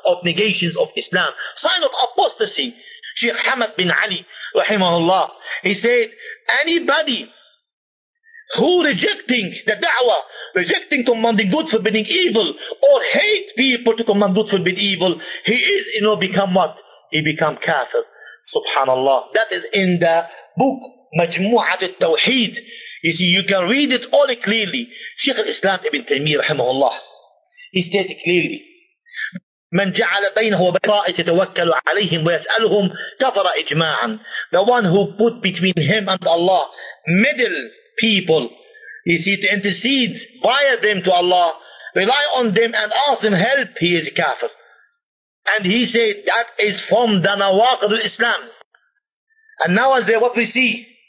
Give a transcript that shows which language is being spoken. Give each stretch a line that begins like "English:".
English: Of negations of Islam sign of apostasy Sheikh Hamad bin Ali rahimahullah he said anybody who rejecting the da'wah, rejecting commanding good, forbidding evil, or hate people to command good, forbid evil, he is, you know, become what? He become kafir. Subhanallah. That is in the book, Majmu'at al-Tawheed. You see, you can read it all clearly. Sheikh al-Islam ibn Taymiyyah, rahimahullah, he stated clearly,
Arabic: من جعل بينه وبين الطائف يتوكل عليهم ويسألهم كفر إجماعا.
English: The one who put between him and Allah, middle, people, you see, to intercede via them to Allah, rely on them and ask them help, he is a kafir. And he said, that is from the Nawaqid al-Islam. And now is there what we see?